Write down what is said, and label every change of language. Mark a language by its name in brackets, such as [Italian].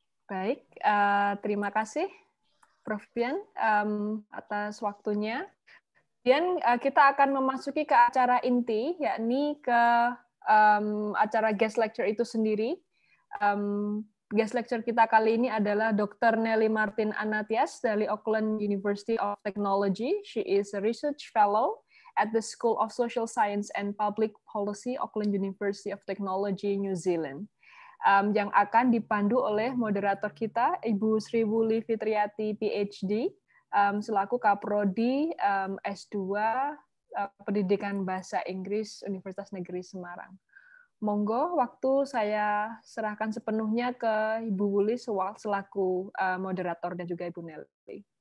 [Indonesian] Baik, terima kasih Prof. Bian, atas waktunya. Dan kita akan memasuki ke acara inti, yakni ke acara guest lecture itu sendiri. Guest lecture kita kali ini adalah Dr. Nelly Martin Anatias dari Auckland University of Technology. [English] She is a research fellow at the School of Social Science and Public Policy, Auckland University of Technology, New Zealand. [Indonesian] Yang akan dipandu oleh moderator kita, Ibu Sri Wuli Fitriati, PhD, selaku Kaprodi S2 Pendidikan Bahasa Inggris Universitas Negeri Semarang. Monggo, waktu saya serahkan sepenuhnya ke Ibu Wuli selaku moderator dan juga Ibu Nelly.